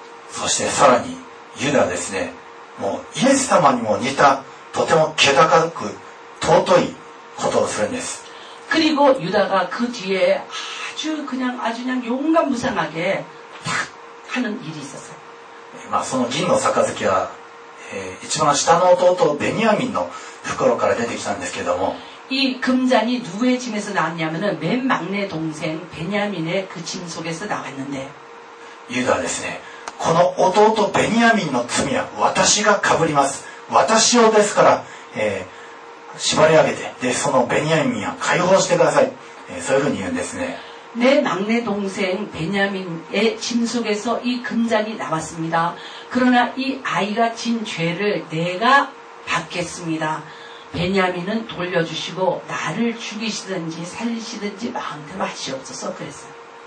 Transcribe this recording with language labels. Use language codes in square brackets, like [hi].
[ja] そしてさらにユダですねもうイエス様にも似たとても気高く尊いことをするんです。 [ko] 그리고유다가그뒤에아주그냥아주그냥용감무상하게탁하는일이있었어요 [ja] まあその銀の杯は一番下の弟ベニヤミンの袋から出てきたんですけども、 [ko] 이금잔이누구의짐에서나왔냐면은맨막내동생베냐민의그짐속에서나왔는데 [ja] 유다ですねこの弟ベニヤミンの罪は私がかぶります、私をですから、縛り上げて、でそのベニヤミンは解放してください、そういうふうに言うんですね。 [ko] 내막내동생베냐민의짐속에서이금잔이나왔습니다그러나이아이가진죄를내가받겠습니다베냐민은돌려주시고나를죽이시든지살리시든지마음대로하시옵소서그랬어요